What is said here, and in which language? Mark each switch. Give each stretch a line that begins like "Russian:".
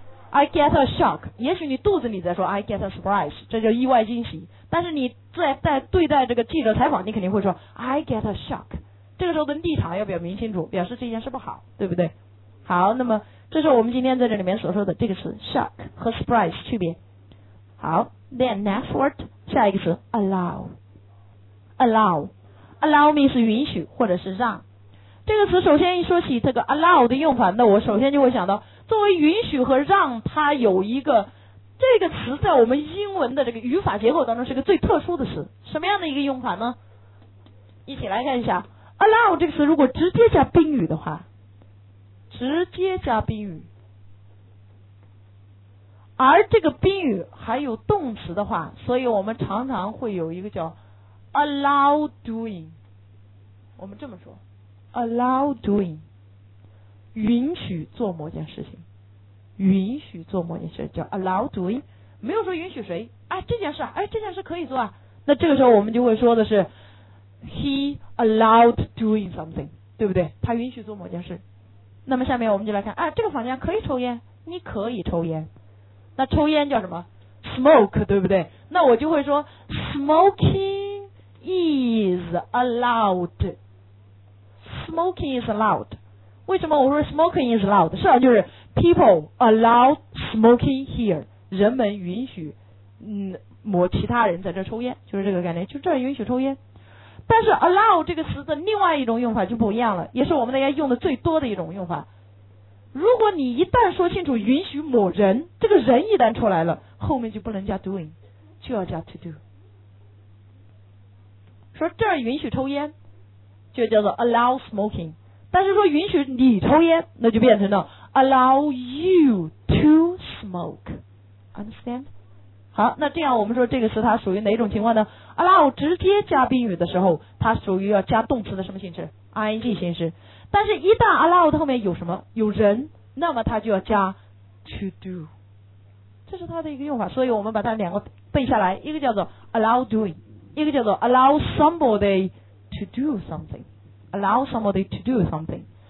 English: I get a shock，
Chinese: 也许你肚子里在说
English: I get a surprise，
Chinese: 这叫意外惊喜，但是你在对待这个记者采访，你肯定会说
English: I get a shock，
Chinese: 这个时候的立场要表明清楚，表示这件事不好，对不对？好，那么这是我们今天在这里面所说的这个词 shock 和 surprise 区别。好，
English: then next word，
Chinese: 下一个词 allow。 allow，
English: allow means
Chinese: 允许或者是让。这个词首先一说起这个 allow 的用法，那我首先就会想到作为允许和让，它有一个这个词在我们英文的这个语法结构当中是个最特殊的词，什么样的一个用法呢？一起来看一下 allow 这个词，如果直接加宾语的话，直接加宾语，而这个宾语还有动词的话，所以我们常常会有一个叫
English: allow doing，
Chinese: 我们这么说 allow doing， 允许做某件事情，允许做某件事叫 allow doing， 没有说允许谁，哎，这件事，哎，这件事可以做啊。那这个时候我们就会说的是
English: he allowed doing something，
Chinese: 对不对？他允许做某件事。那么下面我们就来看，哎，这个房间可以抽烟，你可以抽烟。那抽烟叫什么？smoke， 对不对？那我就会说
English: smoking is allowed， smoking is allowed。
Chinese: 为什么我说
English: smoking is allowed？
Chinese: 实际上就是
English: people allow smoking here，
Chinese: 人们允许某其他人在这抽烟，就是这个概念，就这允许抽烟。但是 allow 这个词的另外一种用法就不一样了，也是我们大家用的最多的一种用法。如果你一旦说清楚允许某人，这个人一旦出来了，后面就不能加 doing， 就要加 to do。说这允许抽烟就叫做
English: allow smoking，
Chinese: 但是说允许你抽烟，那就变成了
English: allow you to smoke， understand？
Chinese: 好，那这样我们说这个词它属于哪种情况呢？allow 直接加宾语的时候，它属于要加动词的什么形式？ ing 形式。但是一旦 allow 后面有什么？有人，那么它就要加 to do， 这是它的一个用法。所以我们把它两个背下来，一个叫做
English: allow doing，
Chinese: 一个叫做
English: allow somebody to do somethingallow somebody to do something。